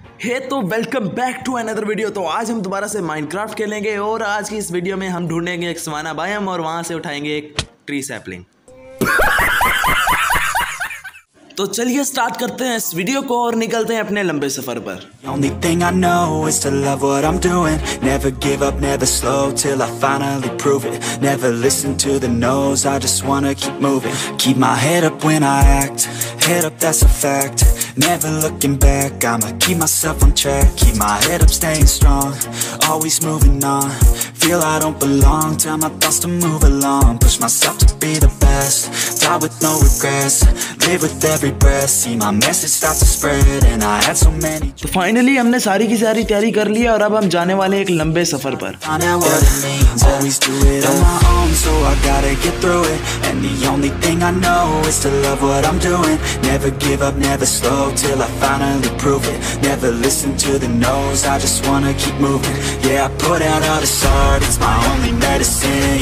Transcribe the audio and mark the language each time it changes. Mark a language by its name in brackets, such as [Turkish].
[Hindi] हे तो welcome back to another video. तो आज हम दोबारा से माइनक्राफ्ट खेलेंगे और आज की इस वीडियो में हम ढूंढेंगे एक सवाना बायम और वहां से उठाएंगे एक ट्री सैपलिंग। तो चलिए स्टार्ट करते हैं इस वीडियो को और निकलते हैं अपने लंबे सफर पर। [English] Only thing I know is to love what I'm doing. Never give up, never slow till I finally prove it. Never listen to the no's, I just wanna keep moving. Keep my head up when I act. Head up, that's a fact. Never looking back, I'ma keep myself on track. Keep my head up, staying strong. Always moving on. Feel I don't belong, tell my thoughts to move along. Push myself to be the best. Die with no regrets. Live with every breath. See my message start to spread. And I had so many. [Hindi] So finally, हमने सारी की सारी तैयारी कर ली है और अब हम जाने वाले एक लंबे सफर पर। [English] Find out what it means. Always do it on my own, so I gotta get through it. And the only thing I know is to love what I'm doing. Never give up, never slow. Till I finally prove it. Never listen to the no's, I just wanna keep moving. Yeah, I put out all this art, it's my only medicine.